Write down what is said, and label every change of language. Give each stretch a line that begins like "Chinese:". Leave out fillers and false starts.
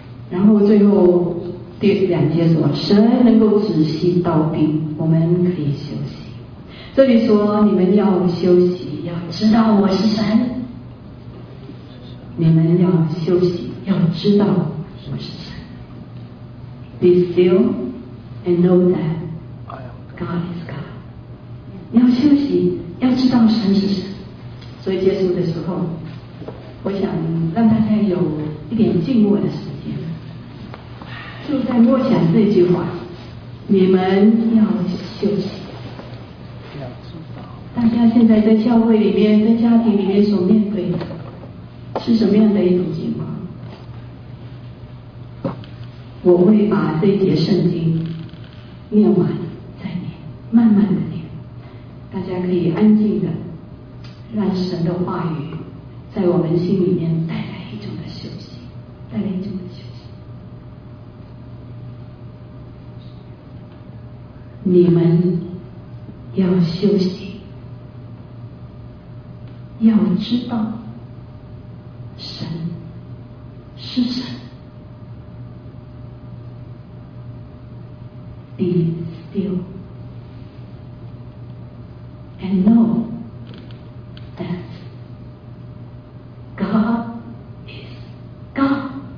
Chinese: 然后最后第两节说，神能够止息刀兵，我们可以休息。这里说你们要休息，要知道我是神。你们要休息，要知道我是神。
English: Be still and know that God is God。
Chinese: 你要休息，要知道神是神。所以结束的时候，我想让大家有一点静默的时间，就在默想这句话，你们要休息。大家现在在教会里面，在家庭里面所面对的是什么样的一种情况？我会把这节圣经念完再念，慢慢的念，大家可以安静的让神的话语在我们心里面带来一种的休息，带来一种的休息。你们要休息，要知道神是神。
English: Be still and know that God is God。